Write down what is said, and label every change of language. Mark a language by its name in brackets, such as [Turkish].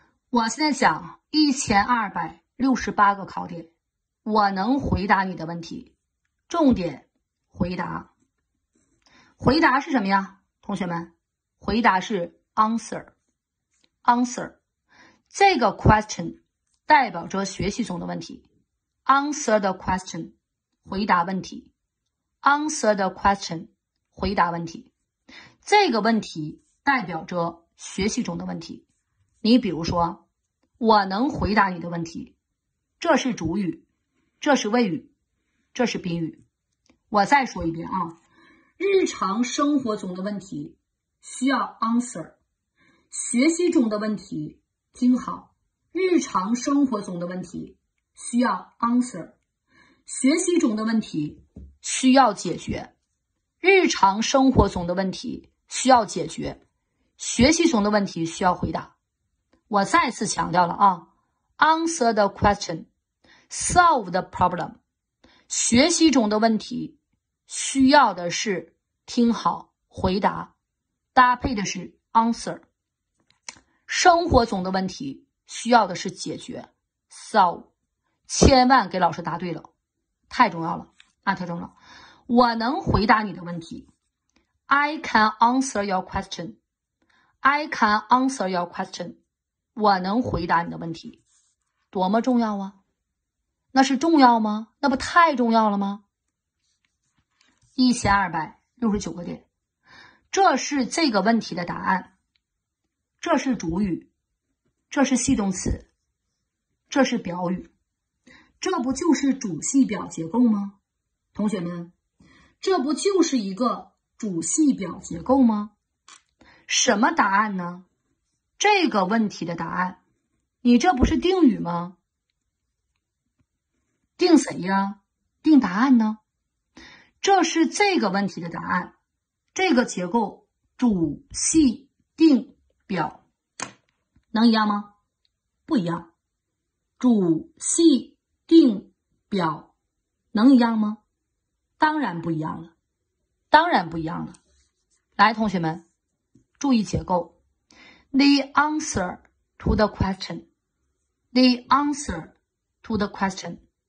[Chinese] 我现在想1268个考点，我能回答你的问题。重点回答，回答是什么呀？同学们，回答是 answer。这个 question 代表着学习中的问题。 [English] Answer the question，回答问题。 Answer the question，回答问题。 [Chinese] 这个问题代表着学习中的问题。你比如说。我能回答你的问题，这是主语，这是谓语，这是宾语。我再说一遍啊，日常生活中的问题需要 answer，学习中的问题听好，日常生活中的问题需要 answer，学习中的问题需要解决，日常生活中的问题需要解决，学习中的问题需要回答。我再次强调了啊， [English] answer the question，solve the problem， [Chinese] 学习中的问题需要的是听好回答，搭配的是 answer。生活中的问题需要的是解决，solve。千万给老师答对了，太重要了，那太重要了。我能回答你的问题， [English] I can answer your question。 I can answer your question。 [Chinese] 我能回答你的问题，多么重要啊！那是重要吗？那不太重要了吗？1269个点，这是这个问题的答案。这是主语，这是系动词，这是表语，这不就是主系表结构吗？同学们，这不就是一个主系表结构吗？什么答案呢？这个问题的答案，你这不是定语吗？定谁呀？定答案呢？这是这个问题的答案，这个结构主系定表，能一样吗？不一样。主系定表能一样吗？当然不一样了，当然不一样了。来，同学们，注意结构。 [English] The answer to the question. The answer to the question.